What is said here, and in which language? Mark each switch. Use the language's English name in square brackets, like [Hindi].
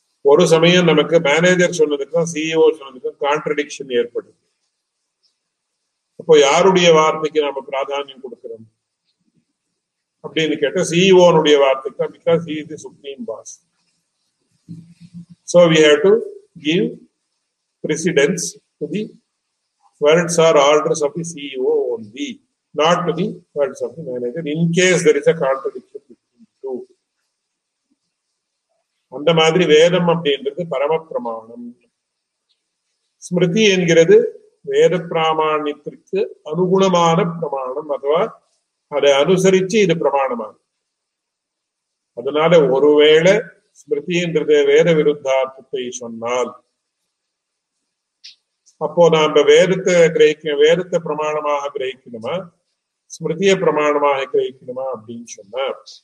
[Tamil] ஒரு சமயம் நமக்கு மேனேஜர் சொன்னதுக்கும் சிஇஓ சொன்னதுக்கும் கான்ட்ரடிக்ஷன் ஏற்படும். அப்போ யாருடைய வார்த்தைக்கு நம்ம பிராதானியம் கொடுக்கிறோம் அப்படின்னு கேட்டா, சிஇஓனுடைய வார்த்தைக்கு தான், [English] Because he is the supreme boss. So we have to give precedence to the words or orders of the CEO only, not to the words of the manager, in case there is a contradiction between the two. [Tamil] அந்த மாதிரி வேதம் அப்படின்றது பரம பிரமாணம், ஸ்மிருதி என்கிறது வேத பிராமாணியத்திற்கு அனுகுணமான பிரமாணம், அதுவா அதை அனுசரிச்சு இது பிரமாணமான. அதனால ஒருவேளை ஸ்மிருதின்றது வேத விருத்தார்த்தத்தை சொன்னால், அப்போ நாம வேதத்தை கிரகிக்க, வேதத்தை பிரமாணமாக கிரகிக்கணுமா ஸ்மிருதியை பிரமாணமாக கிரகிக்கணுமா அப்படின்னு சொன்னார்.